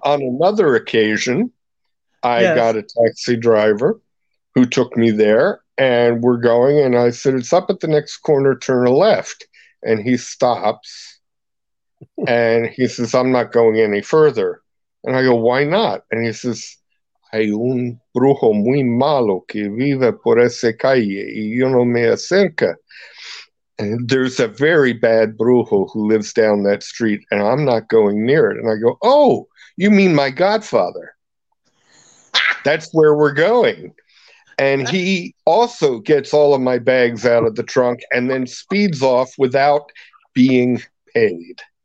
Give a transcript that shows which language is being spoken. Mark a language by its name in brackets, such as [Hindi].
[English] On another occasion, I got a taxi driver who took me there, and we're going, and I said, it's up at the next corner, turn left. And he stops and he says, I'm not going any further. And I go, why not? And he says, [Spanish] hay un brujo muy malo que vive por esa calle y yo no me acerca. [English] And there's a very bad brujo who lives down that street, and I'm not going near it. And I go, oh, you mean my godfather? That's where we're going. And he also gets all of my bags out of the trunk and then speeds off without being paid.